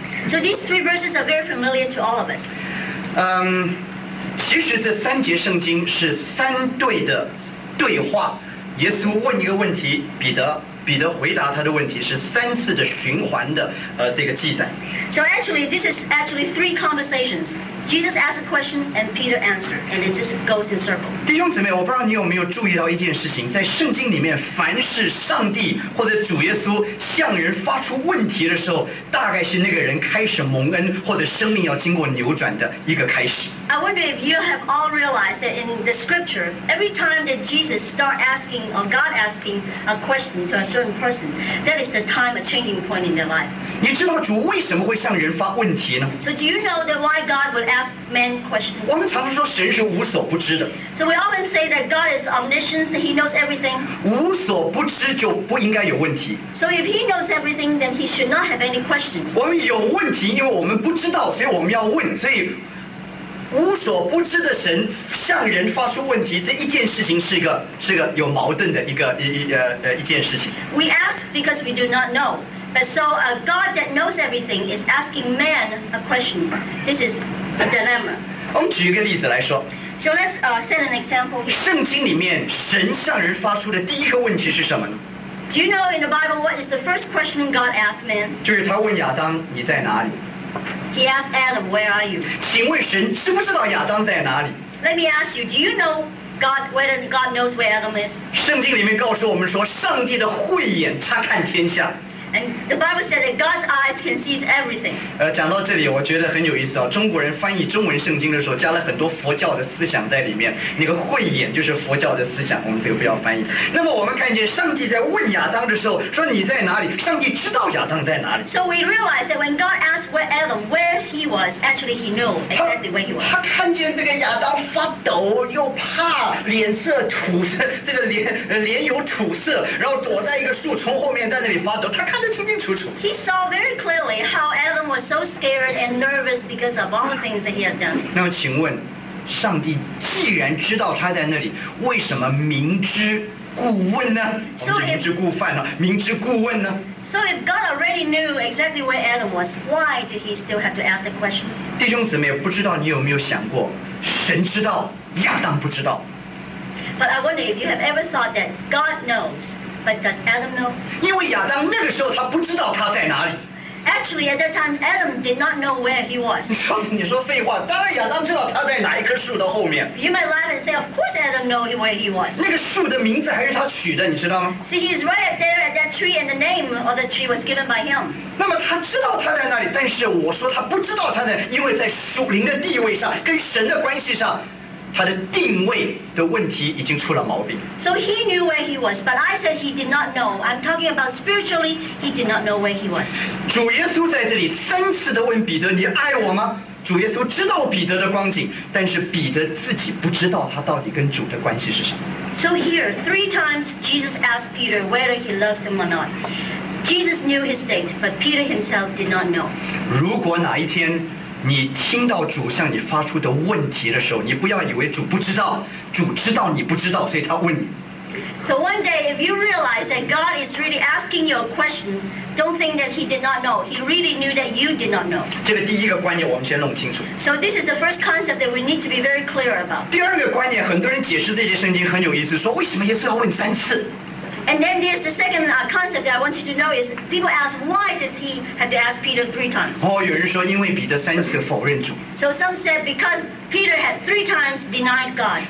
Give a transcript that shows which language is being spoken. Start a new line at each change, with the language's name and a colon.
English: So these three verses are very familiar to all of us.
Chinese: 其实这三节圣经是三对的对话，耶稣问一个问题，彼得回答他的问题，是三次的循环的这个记载。
English: So actually, this is actually three conversations. Jesus asks a question and Peter answers, and it just goes in circle.
Chinese: 弟兄姊妹，我不知道你有没有注意到一件事情，在圣经里面，凡是上帝或者主耶稣向人发出问题的时候，大概是那个人开始蒙恩或者生命要经过扭转的一个开始。
English: I wonder if you have all realized that in the scripture, every time that Jesus start asking or God asking a question to a certain person, that is the time a changing point in their life.
Chinese: 你知道主为什么会向人发问题呢？
English: So do you know that why God would ask man questions?
Chinese: 我们常说神是无所不知的。
English: So we often say that God is omniscient, that he knows everything.
Chinese: 无所不知就不应该有问题。
English: So if he knows everything, then he should not have any questions.
Chinese: 我们有问题，因为我们不知道，所以我们要问，所以无所不知的神向人发出问题，这一件事情是个有矛盾的一件事情。
English: We ask because we do not know, but so a God that knows everything is asking man a question. This is a dilemma.
Chinese: 我们举一个例子来说。
English: So let's set an example.
Chinese: 圣经里面神向人发出的第一个问题是什么呢？
English: Do you know in the Bible what is the first question God asked man?
Chinese: 就是他问亚当你在哪里。
English: He asked Adam, where are you?
Chinese: 请问神知不知道亚当在哪里？
English: Let me ask you, do you know God, whether God knows where Adam is?
Chinese: 圣经里面告诉我们说上帝的慧眼察看天下。
English: And the Bible said that God's eyes can see everything.
Chinese: 讲到这里我觉得很有意思啊，中国人翻译中文圣经的时候加了很多佛教的思想在里面，那个慧眼就是佛教的思想，我们这个不要翻译。那么我们看见上帝在问亚当的时候说你在哪里，上帝知道亚当在哪里。
English: So we realized that when God asked where Adam, where he was, actually he knew exactly where he was.
Chinese: 他看见这个亚当发抖又怕，脸色土色，这个 脸有土色，然后躲在一个树丛后面在那里发抖，他看
English: He saw very clearly how Adam was so scared and nervous because of all the things that he had done.
Chinese: 那么请问，上帝既然知道他在那里，为什么明知故问呢？我们就明知故犯了，明知故问呢？
English: So if God already knew exactly where Adam was, why did he still have to ask the question?
Chinese: 弟兄姊妹，不知道你有没有想过，神知道，亚当不知道。
English: But I wonder if you have ever thought that God knows. But does Adam know?
Chinese: 因为亚当那个时候他不知道他在哪里。
English: Actually, at that time, Adam did not know where he was.
Chinese: 你说废话，当然亚当知道他在哪一棵树的后面。
English: You might laugh and say, of course Adam know where he was.
Chinese: 那个树的名字还是他取的，你知道吗？
English: See, he's right there at that tree, and the name of the tree was given by him.
Chinese: 那么他知道他在那里，但是我说他不知道他在哪里，因为在属灵的地位上，跟神的关系上。他的定位的问题已经出了毛病。
English: So he knew where he was, but I said he did not know. I'm talking about spiritually, he did not know where he was.
Chinese: 主耶稣在这里三次的问彼得，你爱我吗？主耶稣知道彼得的光景，但是彼得自己不知道他到底跟主的关系是什么。
English: So here, three times Jesus asked Peter whether he loved him or not. Jesus knew his state, but Peter himself did not know.
Chinese: 如果哪一天你听到主向你发出的问题的时候，你不要以为主不知道，主知道你不知道，所以他问你。
English: So one day, if you realize that God is really asking you a question, don't think that He did not know. He really knew that you did not know.
Chinese: 这个第一个观念我们先弄清楚。
English: So this is the first concept that we need to be very clear about.
Chinese: 第二个观念，很多人解释这些圣经很有意思，说为什么耶稣要问三次？
English: And then there's the second concept that I want you to know is people ask why does he have to ask Peter three times?
Chinese: 哦，有人说因为彼得三次否认主。
English: So some said because Peter had three times denied God.